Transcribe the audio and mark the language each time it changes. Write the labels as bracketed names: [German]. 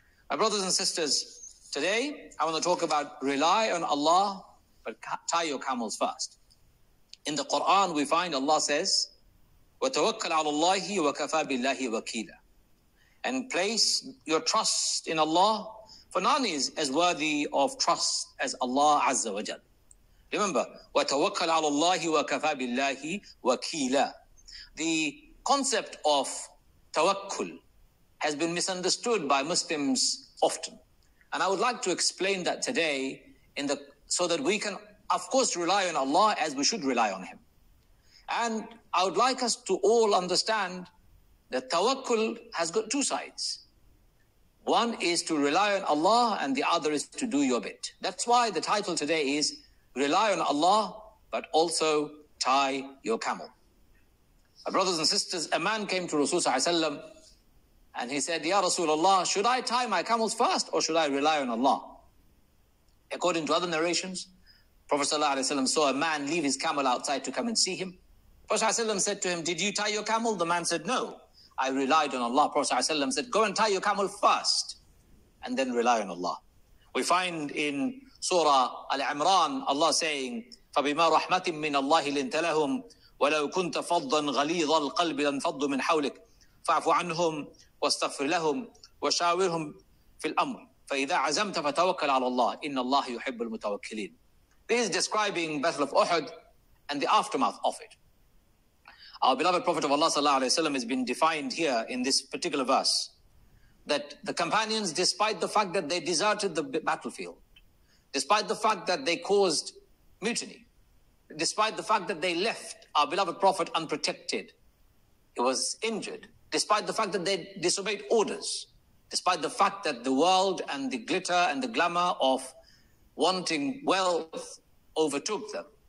[English] My brothers and sisters, today, I want to talk about rely on Allah, but tie your camels first. In the Quran, we find Allah says, [Arabic] وَتَوَكَّلْ عَلَى اللَّهِ وَكَفَى بِاللَّهِ وَكِيلًا. [English] And place your trust in Allah, for none is as worthy of trust as Allah Azza wa Jal. Remember, [Arabic] وَتَوَكَّلْ عَلَى اللَّهِ وَكَفَى بِاللَّهِ وَكِيلًا. [English] The concept of tawakkul has been misunderstood by Muslims often. And I would like to explain that today so that we can, of course, rely on Allah as we should rely on Him. And I would like us to all understand that tawakkul has got two sides. One is to rely on Allah and the other is to do your bit. That's why the title today is Rely on Allah, but also tie your camel. My brothers and sisters, a man came to Rasulullah ﷺ and he said, Ya Rasulullah, should I tie my camels first or should I rely on Allah? According to other narrations, Prophet ﷺ saw a man leave his camel outside to come and see him. Prophet ﷺ said to him, did you tie your camel? The man said, no, I relied on Allah. Prophet ﷺ said, go and tie your camel first and then rely on Allah. We find in Surah Al-Imran, Allah saying, [Arabic] فَبِمَا رَحْمَةٍ مِّنَ اللَّهِ لِنْتَ لَهُمْ وَلَوْ كُنْتَ فَضًّا غَلِيظَ الْقَلْبِ لَنْفَضُّ مِنْ حَوْلِكَ فَاعْفُ عَنْهُمْ وَاسْتَغْفِرْ لَهُمْ وَشَاوِرْهُمْ فِي الْأَمْرِ فَإِذَا عَزَمْتَ فَتَوَكَّلْ عَلَى اللَّهِ إِنَّ اللَّهَ يُحِبُّ الْمُتَوَكِّلِينَ. [English] This is describing Battle of Uhud and the aftermath of it. Our beloved Prophet of Allah sallallahu alaihi wasallam has been defined here in this particular verse that the companions, despite the fact that they deserted the battlefield, despite the fact that they caused mutiny, despite the fact that they left our beloved Prophet unprotected, he was injured, despite the fact that they disobeyed orders, despite the fact that the world and the glitter and the glamour of wanting wealth overtook them.